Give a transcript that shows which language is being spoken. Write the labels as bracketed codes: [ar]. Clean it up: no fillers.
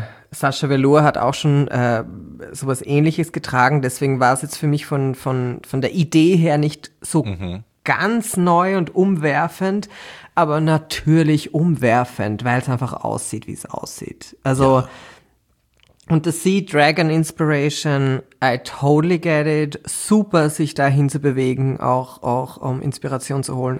[de] Sascha Velour hat auch schon sowas Ähnliches getragen, deswegen war es jetzt für mich von der Idee her nicht so ganz neu und umwerfend. Aber natürlich umwerfend, weil es einfach aussieht, wie es aussieht. [en] Also, und the Sea Dragon Inspiration, I totally get it. [de] Super, sich dahin zu bewegen, auch um Inspiration zu holen.